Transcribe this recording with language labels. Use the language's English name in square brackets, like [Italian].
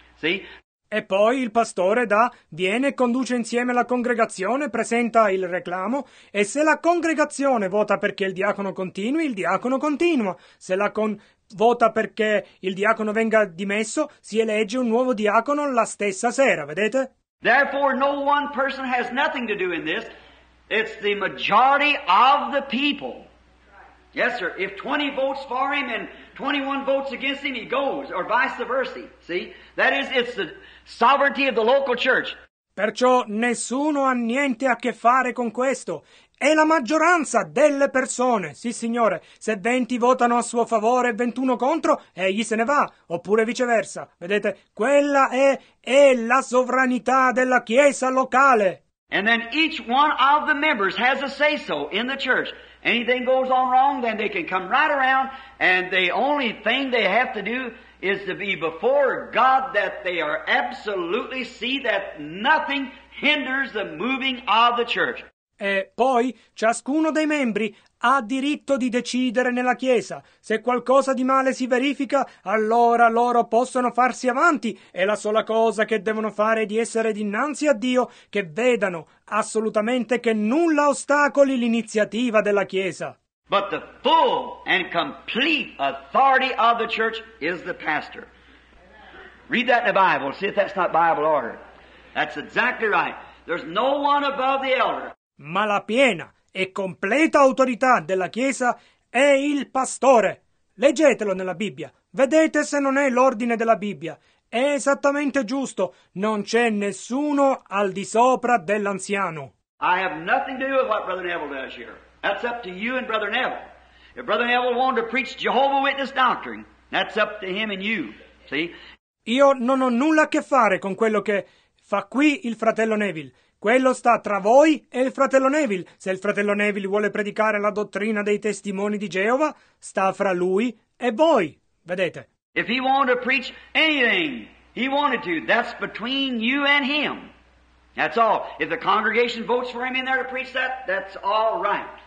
[English] See? [Italian] E poi il pastore viene e conduce insieme la congregazione, presenta il reclamo, e se la congregazione vota perché il diacono continui, il diacono continua. Se la vota perché il diacono venga dimesso, si elegge un nuovo diacono la stessa sera, vedete? [English] Therefore no one person has nothing to do in this. It's the majority of the people. Yes, sir. If 20 votes for him and 21 votes against him, he goes, or vice versa. See? That is, it's the sovereignty of the local church. [Italian] Perciò nessuno ha niente a che fare con questo. È la maggioranza delle persone. Sì, signore. Se 20 votano a suo favore e 21 contro, egli se ne va. Oppure viceversa. Vedete? Quella è la sovranità della chiesa locale. [English] And then each one of the members has a say-so in the church. Anything goes on wrong, then they can come right around, and the only thing they have to do is to be before God that they are absolutely see that nothing hinders the moving of the church. [Italian] E poi ciascuno dei membri ha diritto di decidere nella Chiesa. Se qualcosa di male si verifica, allora loro possono farsi avanti. E la sola cosa che devono fare è di essere dinanzi a Dio, che vedano assolutamente che nulla ostacoli l'iniziativa della Chiesa. [English] But the full and complete authority of the church is the pastor. Read that in the Bible, see if that's not Bible order. That's exactly right. There's no one above the elder. [Italian] Ma la piena e completa autorità della Chiesa è il pastore. Leggetelo nella Bibbia. Vedete se non è l'ordine della Bibbia. È esattamente giusto. Non c'è nessuno al di sopra dell'anziano. [English] I have nothing to do with what Brother Neville does here. That's up to you and Brother Neville. If Brother Neville wanted to preach Jehovah Witness doctrine, that's up to him and you. See? [Italian] Io non ho nulla a che fare con quello che fa qui il fratello Neville. Quello sta tra voi e il fratello Neville. Se il fratello Neville vuole predicare la dottrina dei testimoni di Geova, sta fra lui e voi. Vedete? [English] If he wanted to preach anything he wanted to, that's between you and him. That's all. If the congregation votes for him in there to preach that, that's all right.